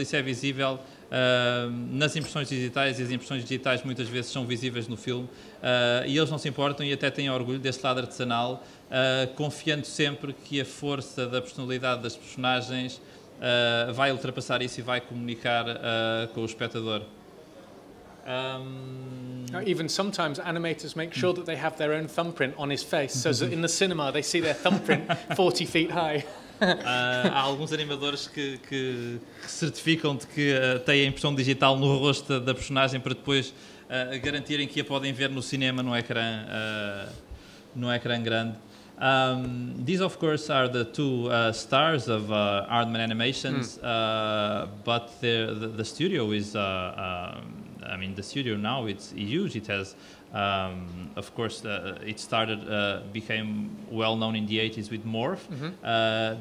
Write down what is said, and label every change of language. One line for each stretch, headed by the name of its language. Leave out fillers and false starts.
Portuguese: Isso é visível nas impressões digitais, e as impressões digitais muitas vezes são visíveis no filme, e eles não se importam e até têm orgulho desse lado artesanal, confiando sempre que a força da personalidade das personagens vai ultrapassar isso e vai comunicar com o espectador.
English: Even sometimes animators make sure that they have their own thumbprint on his face, so that in the cinema they see their thumbprint 40 feet high.
Portuguese: Há alguns animadores que certificam de que têm a impressão digital no rosto da personagem para depois garantirem que a podem ver no cinema no ecrã grande.
English: These, of course, are the two stars of Aardman Animations, but the studio is... I mean, the studio now, it's huge. It has, of course, it started, became well-known in the 80s with Morph. Mm-hmm.